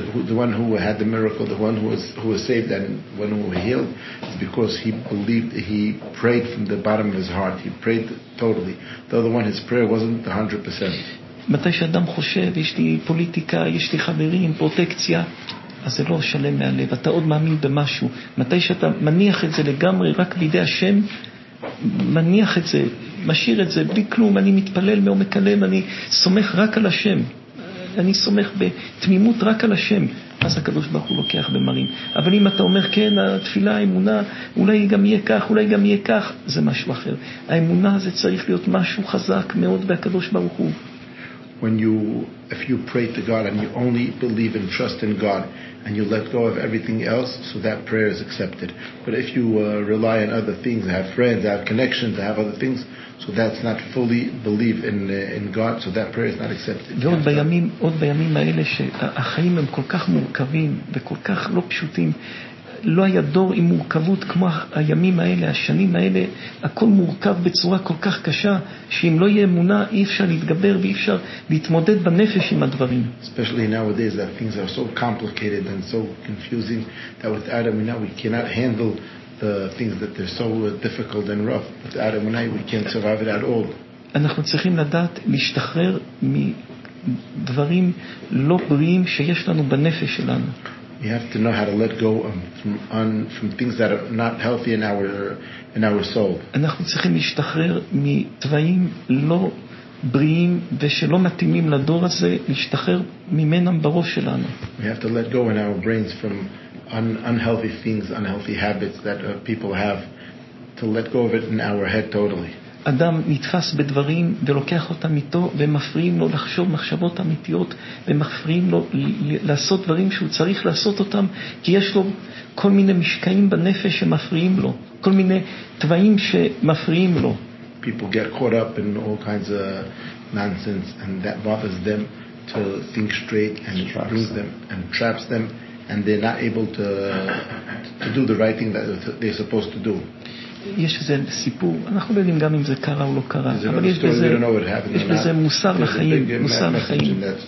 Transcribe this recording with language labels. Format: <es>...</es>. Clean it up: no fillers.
<en>The one who had the miracle, the one who was saved and one who healed, is because he believed, he prayed from the bottom of his heart, he prayed totally. The other one, his prayer wasn't 100%.</en> <he>מתי שאדם חושב יש לי פוליטיקה, יש לי חברים, פרוטקציה, אז זה לא שלם מהלב, אתה עוד מאמין במשהו. מתי שאתה מניח את זה לגמרי רק בידי השם, מניח את זה, משאיר את זה בלי כלום, אני מתפלל מעומק הלב, אני סומך רק על השם, אני סומך בתמימות רק על השם, אז הקדוש ברוך הוא לוקח במרים. אבל אם אתה אומר כן, התפילה, האמונה, אולי גם יהיה כך, אולי גם יהיה כך, זה משהו אחר. האמונה זה צריך להיות משהו חזק מאוד בהקדוש ברוך הוא.</he> <en>If you pray to God and you only believe and trust in God and you let go of everything else, so that prayer is accepted. But if you rely on other things, have friends, have connections, have other things, so that's not fully believe in God, so that prayer is not accepted.</en> <he>ועוד בימים, עוד בימים האלה שהחיים הם כל כך מורכבים וכל כך לא פשוטים, לא היה דור עם מורכבות כמו הימים האלה, השנים האלה. הכל מורכב בצורה כל כך קשה, שאם לא יהיה אמונה אי אפשר להתגבר ואי אפשר להתמודד בנפש עם הדברים.</he> <en>Especially nowadays that things are so complicated and so confusing that with Adam and Eve we cannot handle the things that they're so difficult and rough. With Adam and Eve we can't survive it at all.</en> <he>אנחנו צריכים לדעת להשתחרר מדברים לא בריאים שיש לנו בנפש שלנו.</he> <en>We have to know how to let go from things that are not healthy in our soul.</en> <he>אנחנו צריכים להשתחרר מדברים לא בריאים ושלא מתאימים לדור הזה, להשתחרר ממנם בראש שלנו.</he> <en>We have to let go in our brains from unhealthy things, unhealthy habits that people have, to let go of it in our head totally.</en> <he>אדם נתפס בדברים ולוקח אותם איתו ומפריעים לו לחשוב מחשבות אמיתיות ומפריעים לו לעשות דברים שהוא צריך לעשות אותם, כי יש לו כל מיני משקעים בנפש שמפריעים לו, כל מיני טבעים שמפריעים לו.</he> <en>People get caught up in all kinds of nonsense and that bothers them to think straight and brings them and traps them and they're not able to do the right thing that they're supposed to do.</en> <he>יש איזה סיפור, אנחנו לא יודעים גם אם זה קרה או לא קרה, אבל יש בזה מוסר לחיים, מוסר לחיים.</he>